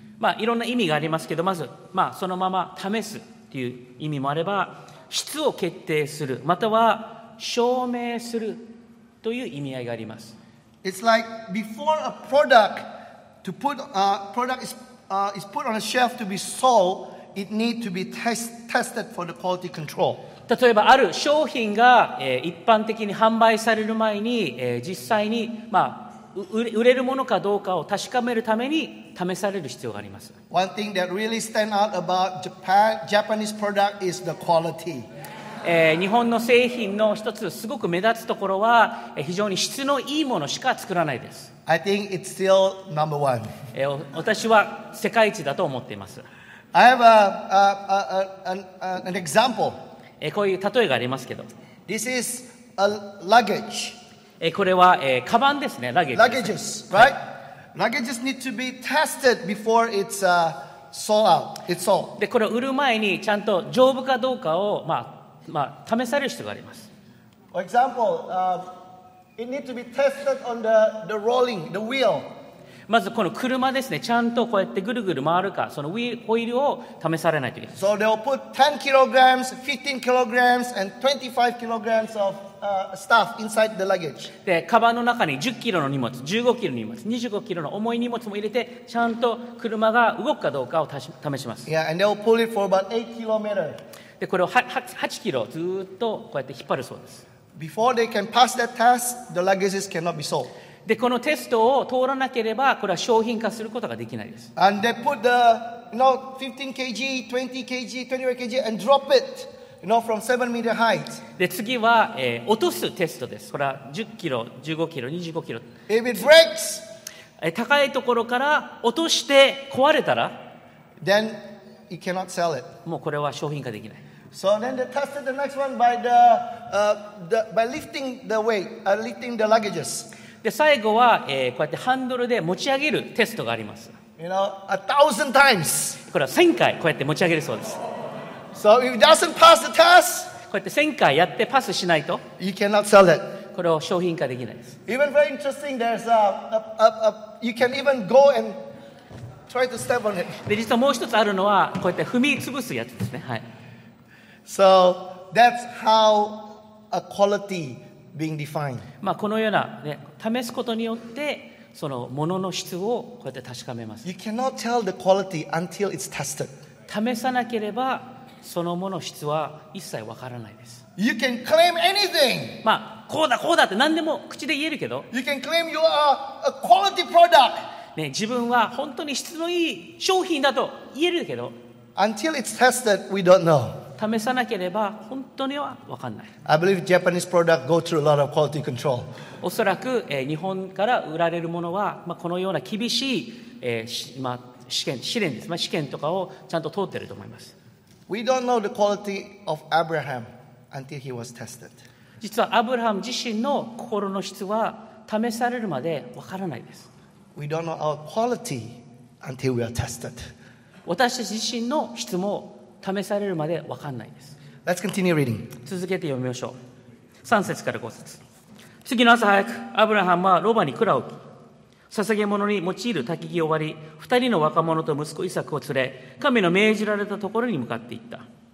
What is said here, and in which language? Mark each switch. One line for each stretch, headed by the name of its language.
Japanese: まあ、いろんな意味がありますけど、まず、まあ、そのまま試すという意味もあれば、質を決定するまたは証明するという意味合いがあります。
English: It's like before a product to put a product is put on a shelf to be sold, it need to be tested for the quality control.
Japanese: 例えばある商品が一般的に販売される前に実際に、まあ、売れるものかどうかを確かめるために試される必要があります。
English: One thing that really stand out about Japanese product is the quality.
Japanese: 日本の製品の一つすごく目立つところは、非常に質のいいものしか作らないです。
English: I think it's still number one.
Japanese: 私は世界一だと思っています。
English: I have an example.
Japanese: こういう例えがありますけど。
English: This is a luggage.
Japanese: これは、カバンですね、ラゲージ。
English: Luggages, right? Luggages need to be tested before it's sold out. It's sold.
Japanese: で、これを売る前にちゃんと丈夫かどうかを、試される必要があります。
English: For example, it need to be tested on the rolling, the wheel.
Japanese: まずこの車ですね、ちゃんとこうやってぐるぐる回るか、そのホイールを試されないといけない。
English: So they'll put 10 kilograms, 15 kilograms, and 25 kilograms of. Stuff inside the luggage.
Japanese: で、カバンの中に10キロの荷物、15キロの荷物、25キロの重い荷物も入れて、ちゃんと車が動くかどうかを試します。
English: Yeah, and they'll pull it for about 8 kilometers.
Japanese: で、これを 8キロずっとこうやって引っ張るそうです。
English: Before they can pass that test, the luggages cannot be sold.
Japanese: で、このテストを通らなければ、これは商品化することができないです。
English: And they put the, you know, 15kg, 20kg, 21kg and drop it, you know, from 7 meter height.
Japanese: で、次は、落とすテストです。これは10キロ、15キロ、25キロ。
English: If it breaks,
Japanese: 高いところから落として壊れたら、
English: then you cannot sell it.
Japanese: もうこれは商品化できない。
English: So then they tested the next one by the, by lifting the weight, lifting the luggages.
Japanese: で最後は、こうやってハンドルで持ち上げるテストがあります。
English: You know, a thousand times.
Japanese: これは1000回こうやって持ち上げるそうです。
English: So if it doesn't pass the test,
Japanese: こうやって1000回やってパスしないと、
English: you cannot sell it.
Japanese: これを商品化できないです。
English: Even very interesting, there's a you can even go and try to step on it.
Japanese: で実はもう一つあるのはこうやって踏み潰すやつですね。はい。
English: So that's how a quality. Being defined.
Japanese: まあこのような、ね、試すことによってそのものの質をこうやって確かめます。
English: You cannot tell the quality until it's tested.
Japanese: 試さなければそのものの質は一切わからないです。
English: You can claim anything.
Japanese: まあこうだこうだって何でも口で言えるけど。
English: You can claim you are a quality product.
Japanese: ね、自分は本当に質のいい商品だと言えるけど。
English: Until it's tested, we don't know.
Japanese: 試さなければ本当には分かんない。
English: I believe Japanese product go through a lot of quality control.
Japanese: おそらく、日本から売られるものは、まあ、このような厳しい、まあ、試練です、まあ、試験とかをちゃんと通っていると思います。
English: We don't know the quality of Abraham until he was tested.
Japanese: 実はアブラハム自身の心の質は試されるまで分からないです。
English: We don't know our quality until we are tested.
Japanese: 私たち自身の質も試されるまで分かんないです。
English: Let's continue reading.
Japanese: 続けて読みましょう。3節から5節。次の朝早く、アブラハムはロバに鞍を置き、捧げ物に用いる焚き木を割り、2人の若者と息子イサクを連れ、神の命じられたところに向かっていった。